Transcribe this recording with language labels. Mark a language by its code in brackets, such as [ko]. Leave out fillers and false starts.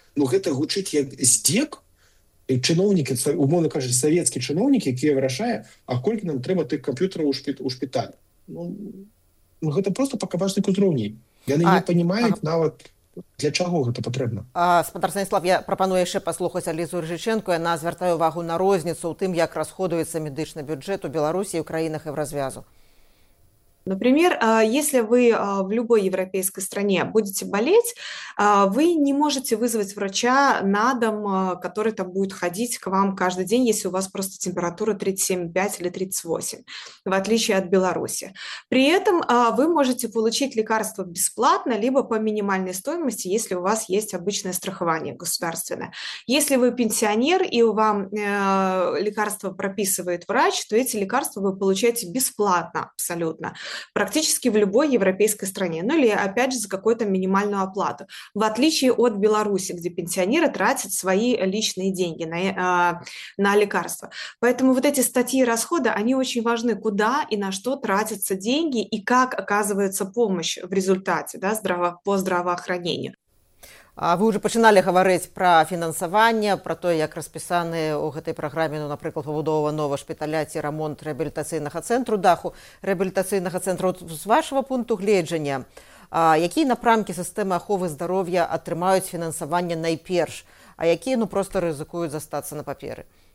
[be] Ну, гэта гучыць як здзек, і чыноўнікі, умоўна кажучы, савецкі чыноўнік, які вырашае, а колькі нам трэба тых камп'ютараў у шпіталь. Ну, гэта просто пакабачны кузроўні. Яны не панімаюць нават, для чаго гэта патрэбна. Спадар Станіслав, я прапаную яшчэ паслухаць Алізу Рыжыченко, яна звяртае ўвагу на розніцу ў тым, як расходуецца медычны бюджэт у Беларусі, ў краінах і ў развязу. [ru] Например, если вы в любой европейской стране будете болеть, вы не можете вызвать врача на дом, который там будет ходить к вам каждый день, если у вас просто температура 37,5 или 38, в отличие от Беларуси. При этом вы можете получить лекарство бесплатно, либо по минимальной стоимости, если у вас есть обычное страхование государственное. Если вы пенсионер и вам лекарство прописывает врач, то эти лекарства вы получаете бесплатно абсолютно. Практически в любой европейской стране, ну или опять же за какую-то минимальную оплату. В отличие от Беларуси, где пенсионеры тратят свои личные деньги на лекарства. Поэтому вот эти статьи расхода, они очень важны, куда и на что тратятся деньги и как оказывается помощь в результате, да, по здравоохранению. [be] Вы уже пачыналі гаварыць пра фінансаванне, пра тое, як распісаны ў гэтай праграме, ну, напрыклад, пабудова новага шпіталя ці рамонт рэабілітацыйнага цэнтру даху, рэабілітацыйнага цэнтру з вашага пункту гледжання. Якія напрамкі сістэмы аховы здароўя атрымаюць фінансаванне найперш, а якія, ну, проста рызыкуюць застацца на паперы?